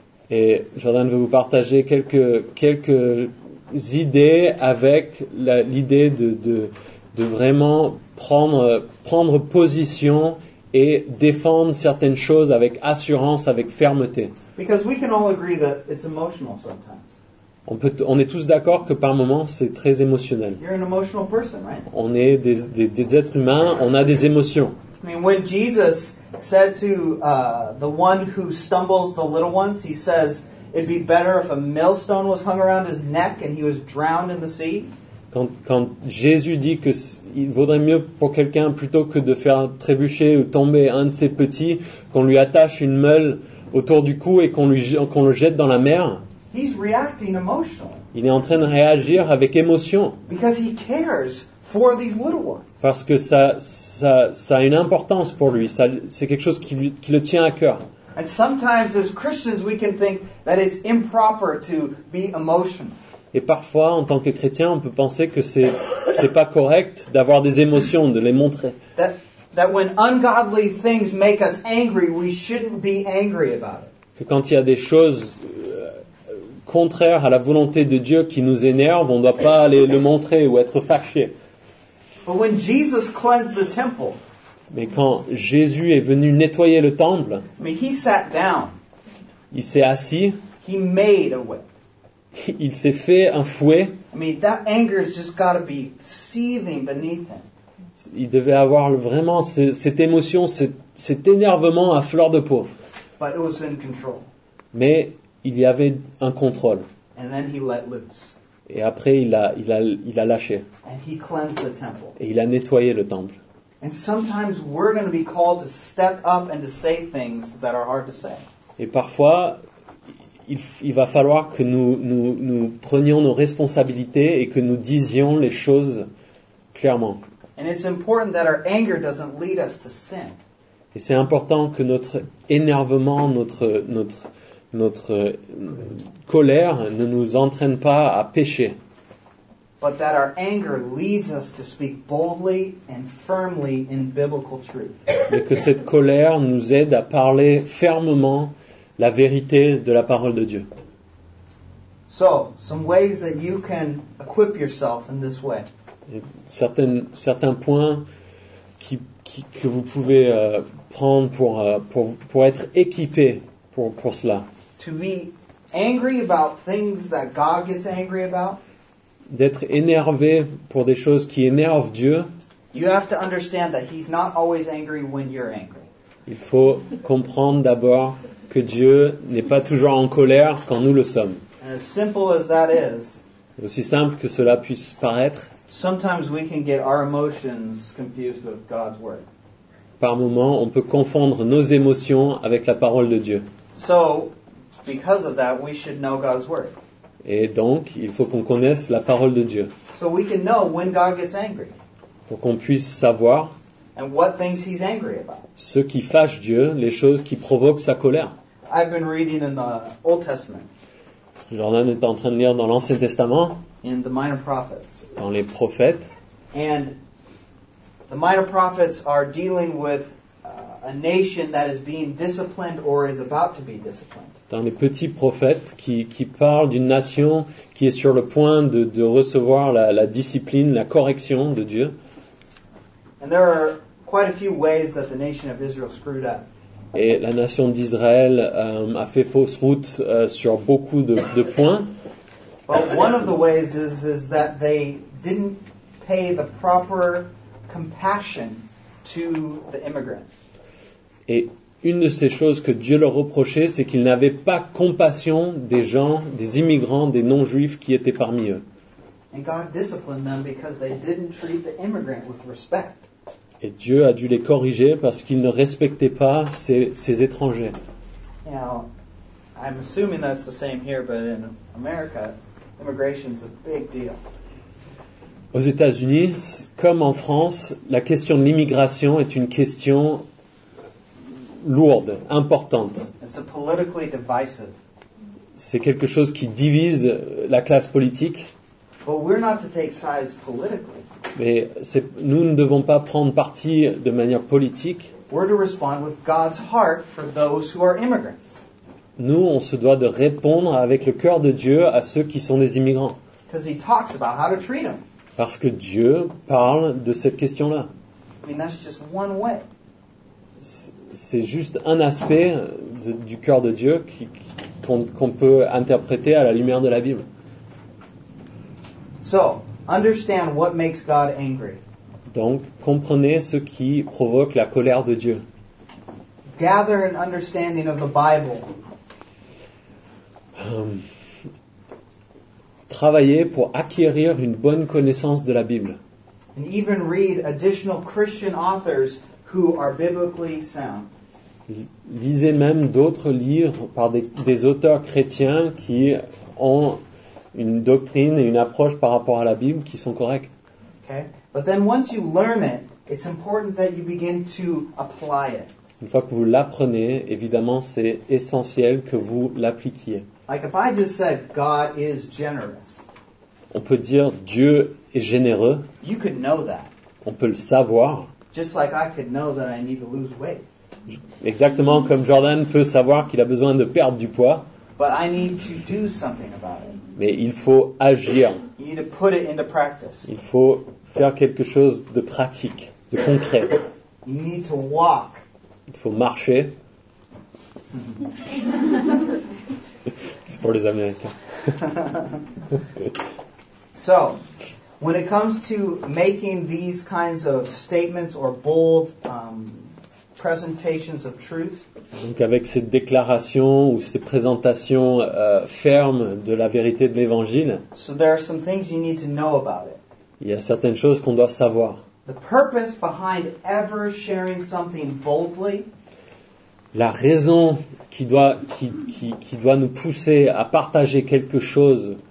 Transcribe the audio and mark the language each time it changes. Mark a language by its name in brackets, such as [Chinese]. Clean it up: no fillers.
[French] Et Jordan veut vous partager quelques idées avec l'idée de vraiment prendre position et défendre certaines choses avec assurance, avec fermeté. [English] Because we can all agree that it's emotional sometimes. [French] On est tous d'accord que par moments c'est très émotionnel. [English] You're an emotional person, right? [French] On est des êtres humains, on a des émotions. [English] I mean, when Jesus said to the one who stumbles the little ones, he says, it'd be better if a millstone was hung around his neck and he was drowned in the sea. [French] Quand Jésus dit qu'il vaudrait mieux pour quelqu'un plutôt que de faire trébucher ou tomber un de ses petits, qu'on lui attache une meule autour du cou et qu'on le jette dans la mer. [English] He's reacting emotionally. [French] Il est en train de réagir avec émotion. [English] Because he cares for these little ones. [French] Parce que ça a une importance pour lui. C'est quelque chose qui le tient à cœur. [English] And sometimes as Christians we can think that it's improper to be emotional. [French] Et parfois en tant que chrétien on peut penser que c'est pas correct d'avoir des émotions, de les montrer. [English] That when ungodly things make us angry, we shouldn't be angry about it. [French] Que quand il y a des choses contraire à la volonté de Dieu qui nous énerve, on ne doit pas aller le montrer ou être fâché. [English] But when Jesus cleansed the temple, [French] mais quand Jésus est venu nettoyer le temple, [English] I mean, he sat down. [French] Il s'est assis. [English] He made a whip. [French] Il s'est fait un fouet. [English] I mean, that anger has just got to be seething beneath him. [French] Il devait avoir vraiment cette émotion, cet énervement à fleur de peau. [English] But it was in control. [French] Mais il y avait un contrôle. [English] And then he let loose. [French] Et après, il a lâché. [English] And he cleansed the temple. [French] Et il a nettoyé le temple. [English] And sometimes we're going to be called to step up and to say things that are hard to say. [French] Et parfois, il va falloir que nous prenions nos responsabilités et que nous disions les choses clairement. [English] And it's important that our anger doesn't lead us to sin. [French] Et c'est important que notre énervement, notre colère ne nous entraîne pas à pécher. [English] But that our anger leads us to speak boldly and firmly in biblical truth. [French] Mais que cette colère nous aide à parler fermement la vérité de la parole de Dieu. [English] So, some ways that you can equip yourself in this way. [French] Certains points que vous pouvez prendre pour être équipé pour cela. [English] To be angry about things that God gets angry about. [French] D'être énervé pour des choses qui énervent Dieu. [English] You have to understand that he's not always angry when you're angry. [French] Il faut comprendre d'abord que Dieu n'est pas toujours en colère quand nous le sommes. [English] And as simple as that is, [French] aussi simple que cela puisse paraître, [English] sometimes we can get our emotions confused with God's word. [French] Par moment, on peut confondre nos émotions avec la parole de Dieu. [English] So, because of that, we should know God's word. [French] Et donc, il faut qu'on connaisse la parole de Dieu. [English] So we can know when God gets angry. [French] Pour qu'on puisse savoir. [English] And what things he's angry about. [French] Ce qui fâche Dieu, les choses qui provoquent sa colère. [English] I've been reading in the Old Testament. [French] Jordan est en train de lire dans l'Ancien Testament. [English] In the Minor Prophets. [French] Dans les prophètes. [English] And the Minor Prophets are dealing with a nation that is being disciplined or is about to be disciplined. [French] Dans les petits prophètes qui parlent d'une nation qui est sur le point de recevoir la discipline, la correction de Dieu. [English] And there are quite a few ways that the nation of Israel screwed up. [French] Et la nation d'Israël a fait fausse route sur beaucoup de points. [English] But one of the ways is that they didn't pay the proper compassion to the immigrant. [French] Et une de ces choses que Dieu leur reprochait, c'est qu'ils n'avaient pas compassion des gens, des immigrants, des non-juifs qui étaient parmi eux. [English] And God disciplined them because they didn't treat the immigrant with respect. [French] Et Dieu a dû les corriger parce qu'ils ne respectaient pas ces étrangers. [English] Now, I'm assuming that's the same here, but in America, immigration is a big deal. [French] Aux États-Unis, comme en France, la question de l'immigration est une question lourde, importante. [English] It's a politically divisive. [French] C'est quelque chose qui divise la classe politique. [English] But we're not to take sides politically. [French] Mais nous ne devons pas prendre parti de manière politique. [English] We're to respond with God's heart for those who are immigrants. [French] Nous, on se doit de répondre avec le cœur de Dieu à ceux qui sont des immigrants. [English] Because he talks about how to treat them. [French] Parce que Dieu parle de cette question-là. [English] I mean, that's just one way. [French] C'est juste un aspect du cœur de Dieu qu'on peut interpréter à la lumière de la Bible. [English] So, understand what makes God angry. [French] Donc, comprenez ce qui provoque la colère de Dieu. [English] Gather an understanding of the Bible. [French] Travaillez pour acquérir une bonne connaissance de la Bible. [English] And even read additional Christian authors who are biblically sound. [French] Lisez même d'autres livres par des auteurs chrétiens qui ont une doctrine et une approche par rapport à la Bible qui sont correctes. [English] Okay. But then once you learn it, it's important that you begin to apply it. [French] Une fois que vous l'apprenez, évidemment, c'est essentiel que vous l'appliquiez. [English] Like if I just said God is generous. [French] On peut dire Dieu est généreux. [English] You could know that. [French] On peut le savoir. [English] Just like I could know that I need to lose weight. [French] Exactement comme Jordan peut savoir qu'il a besoin de perdre du poids. [English] But I need to do something about it. [French] Mais il faut agir. [English] You need to put it into practice. [French] Il faut faire quelque chose de pratique, de concret. [English] You need to walk. [French] Il faut marcher. C'est pour les Américains. [English] So, when it comes to making these kinds of statements or bold presentations of truth, [French] donc avec ces déclarations ou ces présentations fermes de la vérité de l'Évangile, [English] so there are some things you need to know about it. [French] Il y a certaines choses qu'on doit savoir. [English] The purpose behind ever sharing something boldly. [French] La raison qui doit nous pousser à partager quelque chose,